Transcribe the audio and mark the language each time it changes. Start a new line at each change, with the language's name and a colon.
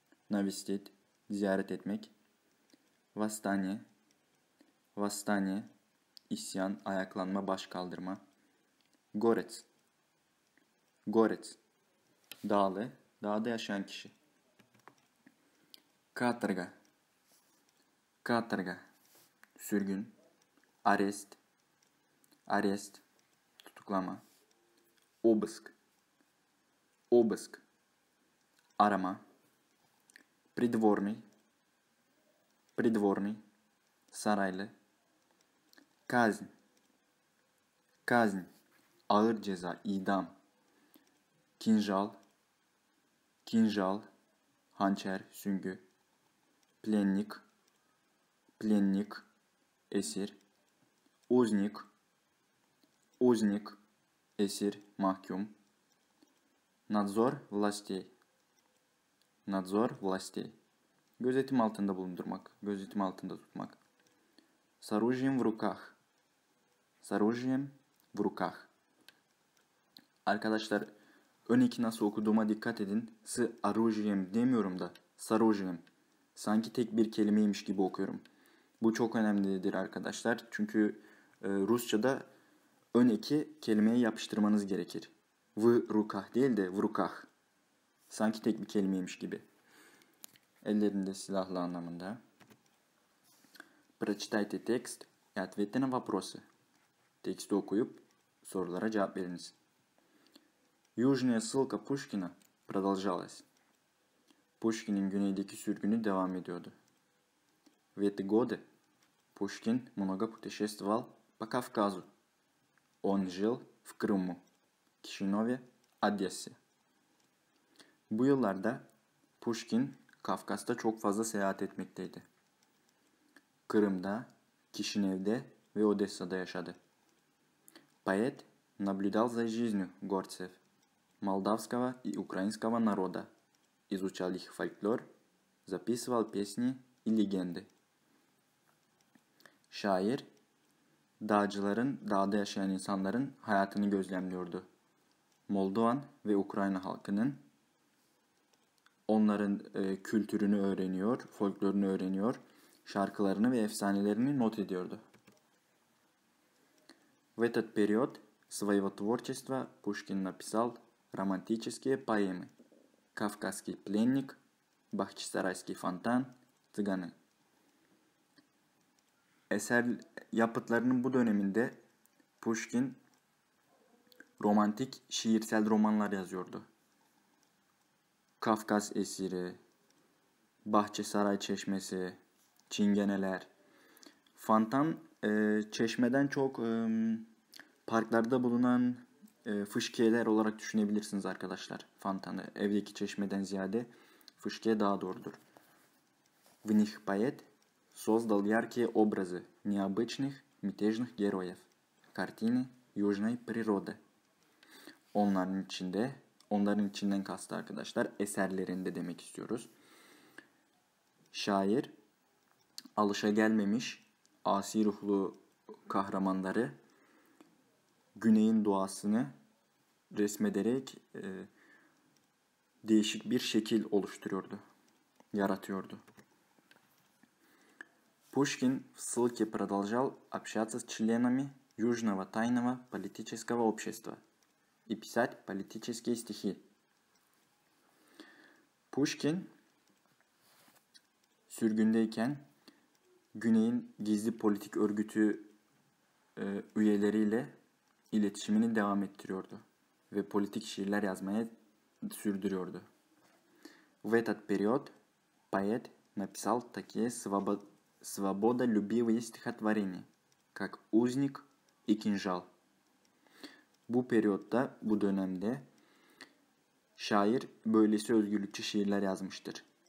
Turkish: Навестить, ziyaret etmek.
Russian: Восстание.
Turkish: Восстание, isyan, ayaklanma, baş kaldırma.
Russian: Горец.
Turkish: Горец, dağlı, dağda yaşayan kişi.
Russian: Каторга. Каторга, sürgün. Арест. Арест, tutuklama. Обыск. Обыск, arama. Придворный, придворный, сарайлы.
Turkish: Казнь, казнь, ağır ceza, idam.
Russian: Кинжал, кинжал, hançer, süngü. Пленник, пленник, esir. Узник, узник, esir, mahkum. Надзор властей, надзор властей,
Turkish: gözetim altında bulundurmak, gözetim altında tutmak.
Russian: Саружием в руках. Саружием в руках.
Turkish: Arkadaşlar, ön iki nasıl okuduğuma dikkat edin. Саружием demiyorum da саружием. Sanki tek bir kelimeymiş gibi okuyorum. Bu çok önemlidir arkadaşlar. Çünkü Rusça'da ön iki kelimeyi yapıştırmanız gerekir.
Russian: В руках
Turkish: değil de
Russian: в руках.
Turkish: Sanki tek bir kelimeymiş gibi. Ellerinde silahlı anlamında.
Russian: Прочитайте текст и ответьте на вопросы.
Turkish: Тексти окуюп, сорулара жавап бериңиз.
Russian: Южная ссылка Пушкина продолжалась.
Turkish: Пушкинин güneydeki sürgünü devam ediyordu.
Russian: В эти годы Пушкин много путешествовал по Кавказу. Он жил в Крыму, Кишинове, Одессе.
Turkish: Bu yıllarda Пушкин Kafkas'ta çok fazla seyahat etmekteydi. Kırım'da, Kişinev'de ve Odessa'da yaşadı.
Russian: Поэт наблюдал за жизнью горцев, молдавского и украинского народа, изучал их фольклор, записывал песни и легенды.
Turkish: Şair, dağcıların, dağda yaşayan insanların hayatını gözlemliyordu. Moldovan ve Ukrayna halkının onların kültürünü öğreniyor, folklorunu öğreniyor, şarkılarını ve efsanelerini not ediyordu.
Russian: В этот период своего творчества Пушкин написал романтические поэмы «Кавказский пленник», «Бахчисарайский фонтан», «Цыганы».
Turkish: Eser yapıtlarının bu döneminde Пушкин romantik şiirsel romanlar yazıyordu. Kafkas esiri, Bahçesaray çeşmesi, çingeneler, fontan çeşmeden çok parklarda bulunan fışkiyeler olarak düşünebilirsiniz arkadaşlar. Fontanı evdeki çeşmeden ziyade fışkiye daha doğrudur.
Russian: В них поэт создал яркие образы необычных мятежных героев, картины южной природы.
Turkish: Onların içinde, onların içinden kastı arkadaşlar, eserlerinde demek istiyoruz. Şair, alışa gelmemiş asi ruhlu kahramanları güneyin doğasını resmederek değişik bir şekil oluşturuyordu, yaratıyordu.
Russian: Пушкин в ссылке продолжал общаться с членами Южного тайного политического общества и писать политические стихи.
Turkish: Pushkin sürgündeyken Güney'in gizli politik örgütü üyeleriyle iletişimini devam ettiriyordu ve politik şiirler yazmaya sürdürüyordu.
Russian: В этот период поэт написал такие свободолюбивые стихотворения, как «Узник» и «Кинжал».
Turkish: Bu periyotta, bu dönemde şair böylesi özgürlükçü şiirler yazmıştır.